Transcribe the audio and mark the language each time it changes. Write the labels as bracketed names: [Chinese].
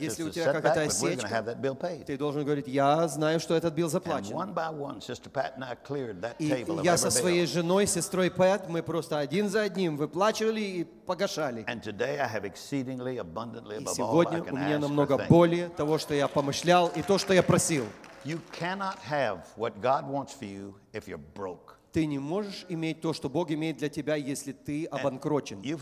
[Russian] Если у тебя какая-то осечка, [English] we're going to have that bill paid. [Russian] Ты должен говорить, я знаю, что этот билл заплачен. [English] And one by one, Sister Pat and I cleared that table of every bill. [Russian] И я со своей женой, сестрой Пэт, мы просто один за одним выплачивали и погашали. [English] And today I have exceedingly abundantly above all. [Russian] И сегодня у меня намного более того, что я помышлял и то, что я просил. [English] You cannot have what God wants for you if you're broke. [Russian] Ты не можешь иметь то, что Бог имеет для тебя, если ты обанкрочен.